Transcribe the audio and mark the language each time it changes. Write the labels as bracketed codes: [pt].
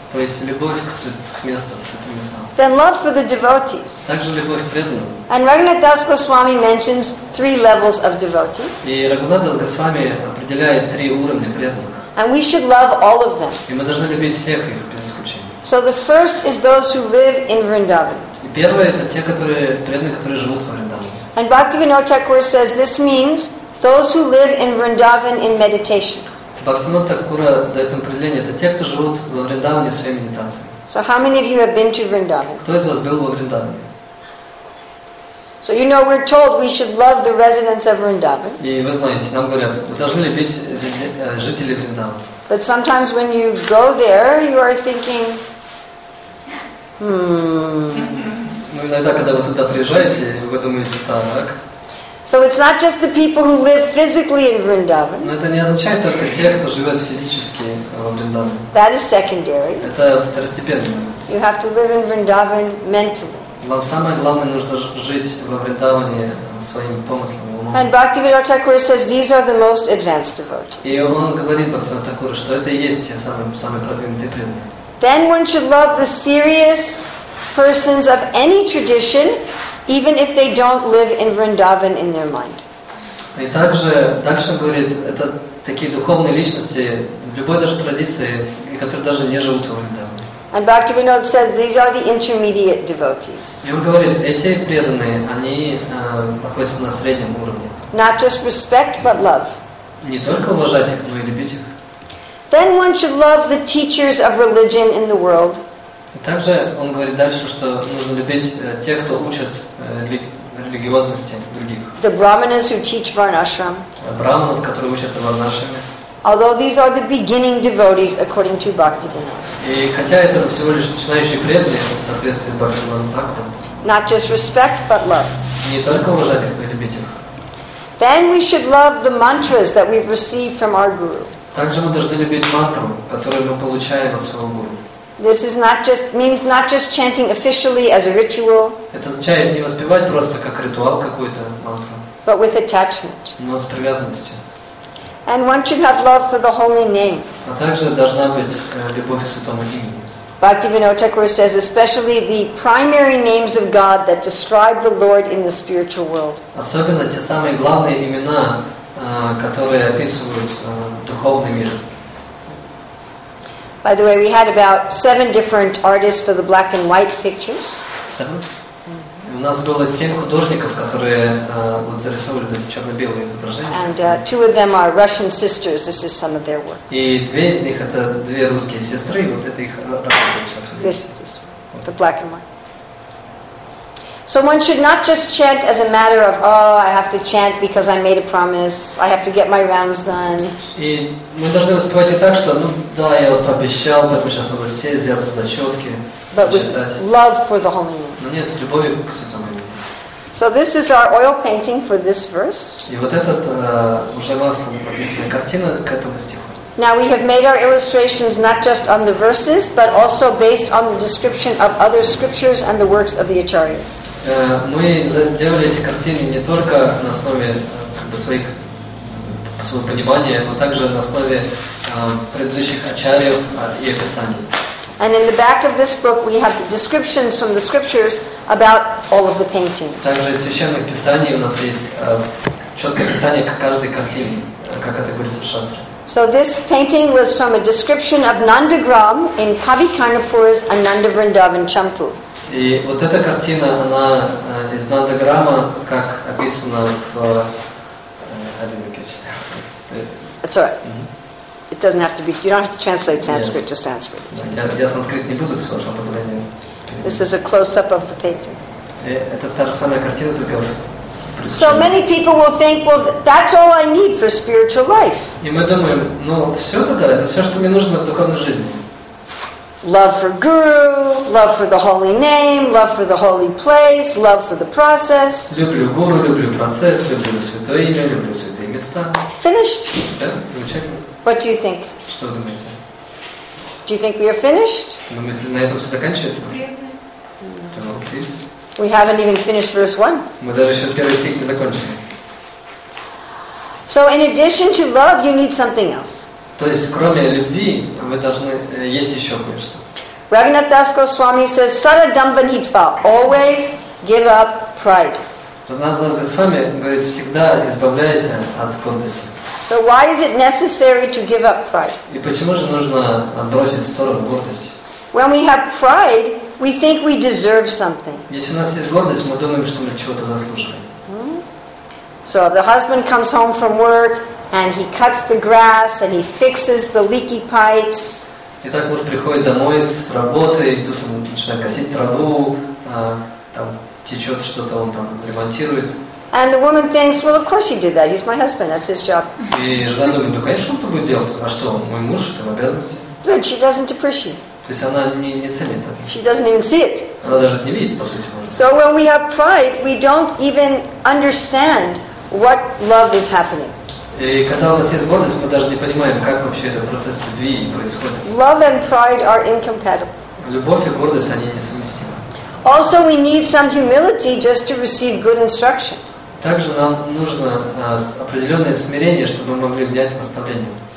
[ru] То есть любовь к святым местам, святым местам. [en] Then love for the devotees. [ru] Также любовь к преданным. [en] And Raghunath Das Goswami mentions three levels of devotees. [ru] И Рагунат Дас Госвами определяет три уровня преданных. [en] And we should love all of them. [ru] И мы должны любить всех их без исключения. [en] So the first is those who live in Vrindavan. [ru] И первое это те, которые преданные, которые живут в Вриндаване. [en] And Bhaktivinoda Thakura says this means those who live in Vrindavan in meditation. [ru] Бхактивинода Такура дает определение, это те, кто живут в Вриндаване своей медитацией. [en] So how many of you have been to Vrindavan? [ru] Кто из вас был во Вриндаване? [en] So you know we're told we should love the residents of Vrindavan. [ru] И вы знаете, нам говорят, вы должны любить жителей Вриндавана. [en] But sometimes when you go there, you are thinking, [ru] Ну иногда, когда вы туда приезжаете, вы думаете так. [en] So it's not just the people who live physically in Vrindavan. [ru] Но это не означает только те, кто живет физически в Вриндаване. [en] That is secondary. [ru] Это второстепенно. [en] You have to live in Vrindavan mentally. [ru] Вам самое главное нужно жить во Вриндаване своим помыслом и умом. [en] And Bhaktivinoda Thakura says these are the most advanced devotees. [ru] И он говорит Бхактивинода Такура, что это и есть те самые продвинутые преданные. [en] Then one should love the serious persons of any tradition, even if they don't live in Vrindavan in their mind. [ru] И также Дакшин говорит, это такие духовные личности в любой даже традиции, которые даже не живут во Вриндаване. [en] And Bhaktivinoda said these are the intermediate devotees. [ru] И он говорит, эти преданные, они находятся на среднем уровне. [en] Not just respect, but love. [ru] Не только уважать их, но и любить их. [en] Then one should love the teachers of religion in the world. [ru] Также он говорит дальше, что нужно любить тех, кто учат религиозности других. [en] The brahmanas who teach varnashram. [ru] Брахманов, которые учат варнашраме. [en] Although these are the beginning devotees, according to Bhaktivinoda. [ru] И хотя это всего лишь начинающие преданные, в соответствии с Бхактивинодой Такура. [en] Not just respect, but love. [ru] Не только уважать их, но и любить их. [en] Then we should love the mantras that we've received from our guru. [ru] Также мы должны любить мантру, которую мы получаем от своего гуру. [en] This is not just means not just chanting officially as a ritual. [ru] Это означает не воспевать просто как ритуал какой-то мантру. [en] But with attachment. [ru] Но с привязанностью. [en] And one should have love for the holy name. [ru] А также должна быть любовь к святому имени. [en] Bhaktivinoda Thakura says, especially the primary names of God that describe the Lord in the spiritual world. [ru] Особенно те самые главные имена, которые описывают духовный мир. [en] By the way, we had about 7 different artists for the black and white pictures. 7? [ru] У нас было 7 художников, которые зарисовывали черно-белые изображения. [en] And two of them are Russian sisters. This is some of their work. [ru] И две из них это две русские сестры. Вот это их работа сейчас. [en] This the black and white. So one should not just chant as a matter of, oh, I have to chant because I made a promise. I have to get my rounds done. [ru] И мы должны воспевать и так, что, ну да, я вот пообещал, поэтому сейчас надо сесть, взяться за зачетки. [en] But with love for the holy name. [ru] Но нет, с любовью к святому имени. [en] So this is our oil painting for this verse. [ru] И вот этот уже маслом написанная картина к этому стиху. [en] Now we have made our illustrations not just on the verses, but also based on the description of other scriptures and the works of the acharyas. [ru] Мы делали эти картины не только на основе своего понимания, но также на основе предыдущих ачарьев и описаний. [en] And in the back of this book, we have the descriptions from the scriptures about all of the paintings. [ru] Также из священных писаний у нас есть четкое описание к каждой картине, как это говорится в шастре. [en] So this painting was from a description of Nandagram in Kavi Karnapur's Ananda Vrindavan Champu. [ru] И вот эта картина, она из Нандаграма, как описано в [en] That's all right. It doesn't have to be. You don't have to translate Sanskrit to Sanskrit. [ru] Я санскрит не буду с вашего позволения. [en] This is a close-up of the painting. [ru] Это та же самая картина, только [en] So many people will think, well, that's all I need for spiritual life. [ru] И мы думаем, ну все это все, что мне нужно в духовной жизни. [en] Love for Guru, love for the holy name, love for the holy place, love for the process. [ru] Люблю Гуру, люблю процесс, люблю святое имя, люблю святые места. [en] Finished. [ru] Все, замечательно. [en] What do you think? [ru] Что думаете? [en] Do you think we are finished? [ru] Ну, мы на этом все заканчивается. [en] We haven't even finished verse 1. [ru] Мы даже еще первый стих не закончили. [en] So in addition to love, you need something else. [ru] То есть, кроме любви, мы должны есть еще кое-что. [en] Raghunath Das Goswami says, Sada Dhamva Nidva, always give up pride. [ru] Raghunath Das Goswami говорит, всегда избавляйся от гордости. [en] So why is it necessary to give up pride? [ru] И почему же нужно отбросить в сторону гордость? [en] When we have pride, we think we deserve something. [ru] Если у нас есть гордость, мы думаем, что мы чего-то заслужили. [en] So the husband comes home from work, and he cuts the grass, and he fixes the leaky pipes. [ru] Итак, муж приходит домой с работы, и тут он начинает косить траву, там течет что-то, он там ремонтирует. [en] And the woman thinks, well, of course he did that. He's my husband. That's his job. [ru] И жена думает, ну конечно, он это будет делать. А что, мой муж, это обязанности? [en] But she doesn't appreciate. [ru] То есть она не ценит это. [en] She doesn't even see it. [ru] Она даже не видит, по сути. [en] So when we have pride, we don't even understand what love is happening. [ru] И когда у нас есть гордость, мы даже не понимаем, как вообще этот процесс любви происходит. [en] Love and pride are incompatible. [ru] Любовь и гордость, они несовместимы. [en] Also, we need some humility just to receive good instruction. [ru] Также нам нужно определенное смирение, чтобы мы могли внять наставление.